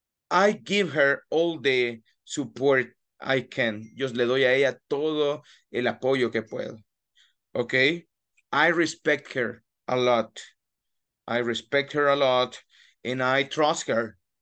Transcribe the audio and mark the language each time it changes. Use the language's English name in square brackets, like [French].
[English] I give her all the support I can. [Spanish] Yo le doy a ella todo el apoyo que puedo. [English] ¿Ok? I respect her a lot. I respect her a lot and I trust her.